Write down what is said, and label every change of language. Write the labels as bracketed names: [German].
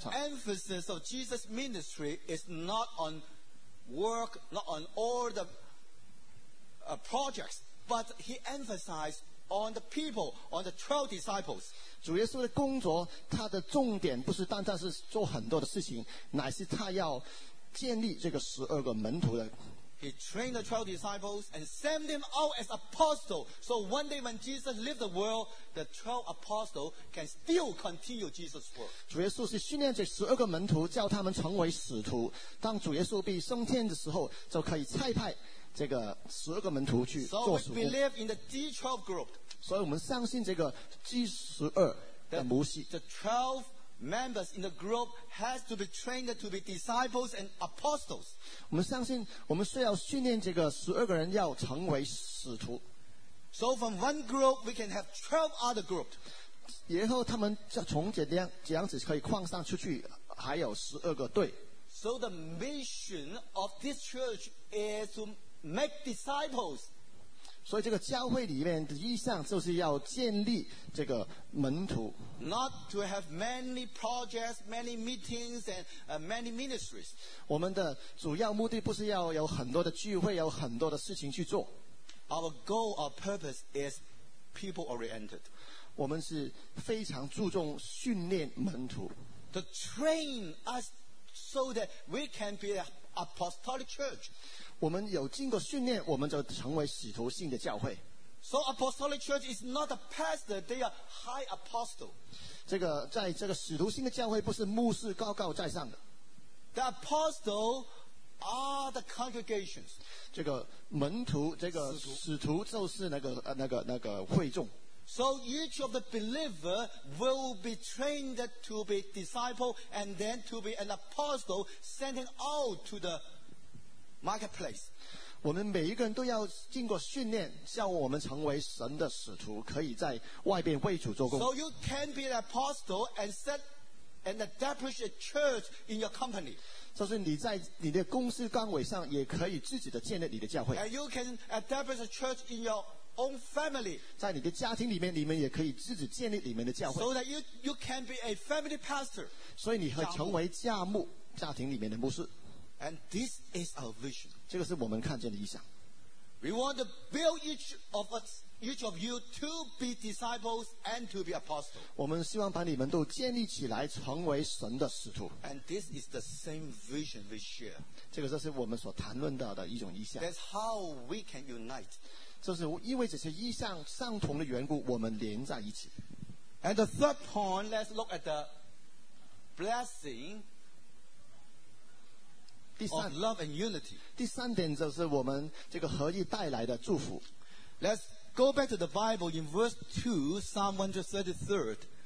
[Chinese] 造？ [English] The emphasis of Jesus' ministry is not on work, not on all the projects, but he emphasized on the people, on the 12 disciples. [Chinese] 主耶稣的工作，他的重点不是单单是做很多的事情，乃是他要建立这个十二个门徒的。 [English] He trained the 12 disciples and sent them out as apostles. So one day when Jesus left the world, the 12 apostles can still continue Jesus' work. [Chinese] 主耶稣是训练这十二个门徒，叫他们成为使徒。当主耶稣被升天的时候，就可以差派这个十二个门徒去做使徒。 [English] So we believe in the G12 group. [Chinese] 所以我们相信这个 G12 的模式。 [English] The 12members in the group has to be trained to be disciples and apostles. [Chinese] 我们相信我们需要训练这个十二个人要成为使徒。 [English] So from one group we can have 12 other groups. [Chinese] 以后他们从这样子可以扩散出去，还有十二个队。 [English] So the mission of this church is to make disciples. [Chinese] 所以这个教会里面的意向就是要建立这个门徒。 [English] Not to have many projects, many meetings, and many ministries. [Chinese] 我们的主要目的不是要有很多的聚会，有很多的事情去做。 [English] Our goal, our purpose is people-oriented. [Chinese] 我们是非常注重训练门徒。 [English] To train us so that we can be an apostolic church. [Chinese] 我们有经过训练，我们就成为使徒性的教会。 [English] So apostolic church is not a pastor, they are high apostle. [Chinese] 这个在这个使徒性的教会不是牧师高高在上的。 [English] The apostle are the congregations. [Chinese] 这个门徒，这个使徒就是那个会众。 [English] So each of the believer will be trained to be disciple and then to be an apostle sending out to the marketplace. [Chinese] 我们每一个人都要经过训练，叫我们成为神的使徒，可以在外边为主做工。 [English] So you can be an apostle and set and establish a church in your company. [Chinese] 就是你在你的公司岗位上，也可以自己的建立你的教会。 [English] And you can establish a church in your own family. [Chinese] 在你的家庭里面，你们也可以自己建立你们的教会。 [English] So that you can be a family pastor. [Chinese] 所以你会成为家牧，家庭里面的牧师。 [English] And this is our vision. [Chinese] 这个是我们看见的意象。 [English] We want to build each of you to be disciples and to be apostles. [Chinese] 我们希望把你们都建立起来，成为神的使徒。 [English] And this is the same vision we share. [Chinese] 这个就是我们所谈论到的一种意象。 [English] That's how we can unite. [Chinese] 就是因为这些意象相同的缘故，我们连在一起。 [English] And the third point, let's look at the blessing. Of love and unity. [Chinese] 第三点就是我们这个合一带来的祝福。 [English] Let's go back to the Bible in verse 2, Psalm 133.